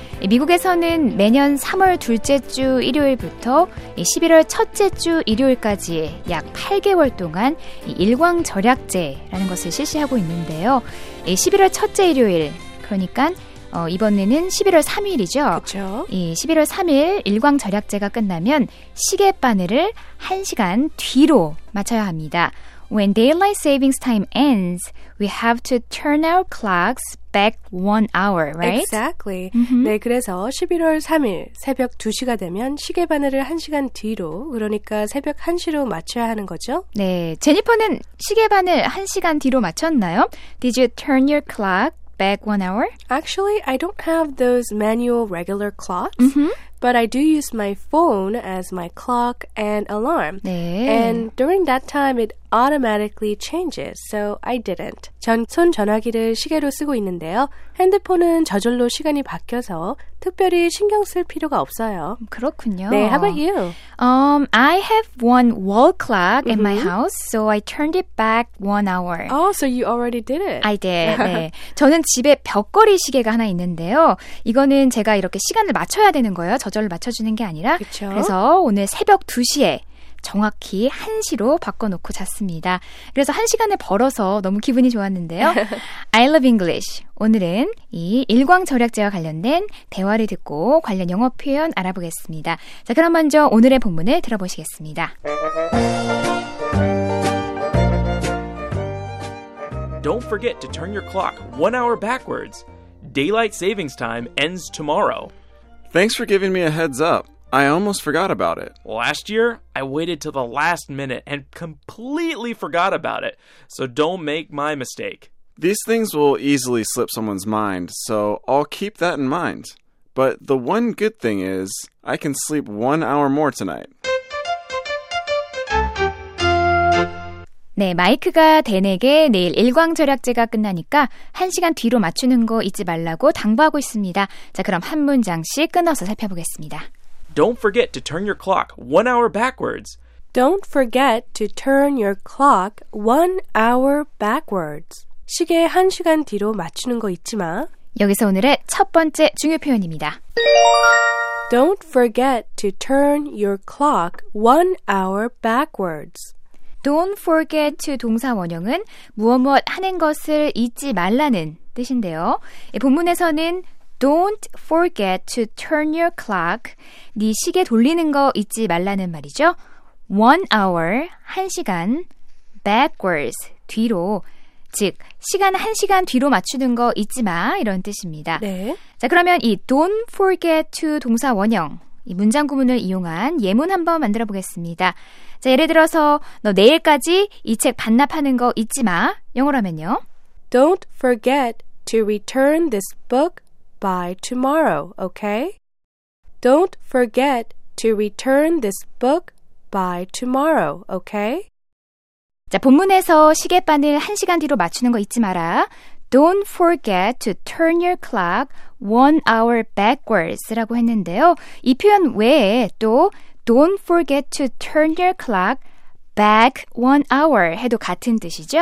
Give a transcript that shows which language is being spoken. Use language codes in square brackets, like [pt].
[ko] 미국에서는 매년 3월 둘째 주 일요일부터 11월 첫째 주 일요일까지 약 8개월 동안 일광 절약제라는 것을 실시하고 있는데요. 11월 첫째 일요일, 그러니까 이번에는 11월 3일이죠. 그쵸? 이 11월 3일 일광 절약제가 끝나면 시계 바늘을 1시간 뒤로 맞춰야 합니다. [en] When daylight savings time ends, we have to turn our clocks back 1 hour, right? Exactly. Mm-hmm. [ko] 네, 그래서 11월 3일 새벽 2시가 되면 시계 바늘을 1시간 뒤로, 그러니까 새벽 1시로 맞춰야 하는 거죠? 네, 제니퍼는 시계 바늘 1시간 뒤로 맞췄나요? [en] Did you turn your clock back 1 hour? Actually, I don't have those manual regular clocks. Mm-hmm. But I do use my phone as my clock and alarm. [ko] 네. [en] And during that time, it automatically changes. So I didn't. [ko] 전 손 전화기를 시계로 쓰고 있는데요. 핸드폰은 저절로 시간이 바뀌어서 특별히 신경 쓸 필요가 없어요. 그렇군요. [en] 네, how about you? I have one wall clock in my house, so I turned it back 1 hour. Oh, so you already did it. I did. 네. [ko] 저는 집에 벽걸이 시계가 하나 있는데요. 이거는 제가 이렇게 시간을 맞춰야 되는 거예요. 저절로 맞춰주는 게 아니라 그쵸? 그래서 오늘 새벽 2시에 정확히 1시로 바꿔놓고 잤습니다. 그래서 1시간을 벌어서 너무 기분이 좋았는데요. [en] I love English. [ko] 오늘은 이 일광 절약제와 관련된 대화를 듣고 관련 영어 표현 알아보겠습니다. 자, 그럼 먼저 오늘의 본문을 들어보시겠습니다. [en] Don't forget to turn your clock 1 hour backwards. Daylight savings time ends tomorrow. Thanks for giving me a heads up. I almost forgot about it. Last year, I waited till the last minute and completely forgot about it. So don't make my mistake. These things will easily slip someone's mind, so I'll keep that in mind. But the one good thing is, I can sleep 1 hour more tonight. [ko] 네, 마이크가 댄에게 내일 일광 절약제가 끝나니까 한 시간 뒤로 맞추는 거 잊지 말라고 당부하고 있습니다. 자, 그럼 한 문장씩 끊어서 살펴보겠습니다. [en] Don't forget to turn your clock 1 hour backwards. Don't forget to turn your clock 1 hour backwards. [ko] 시계 한 시간 뒤로 맞추는 거 잊지 마. 여기서 오늘의 첫 번째 중요 표현입니다. [en] Don't forget to turn your clock 1 hour backwards. Don't forget to [ko] 동사 원형은 무엇무엇 하는 것을 잊지 말라는 뜻인데요. 본문에서는 [en] Don't forget to turn your clock. [ko] 네 시계 돌리는 거 잊지 말라는 말이죠. [en] 1 hour, [ko] 1시간, [en] backwards, [ko] 뒤로. 즉, 시간 1시간 뒤로 맞추는 거 잊지 마, 이런 뜻입니다. 네. 자, 그러면 이 Don't forget to 동사 원형, 이 문장 구문을 이용한 예문 한번 만들어 보겠습니다. 자, 예를 들어서 너 내일까지 이 책 반납하는 거 잊지 마. 영어로 하면요. [en] Don't forget to return this book by tomorrow, okay? Don't forget to return this book by tomorrow, okay? [ko] 자, 본문에서 시계 바늘 1시간 뒤로 맞추는 거 잊지 마라. [en] Don't forget to turn your clock 1 hour backwards [ko] 라고 했는데요. 이 표현 외에 또 [en] Don't forget to turn your clock back 1 hour [ko] 해도 같은 뜻이죠?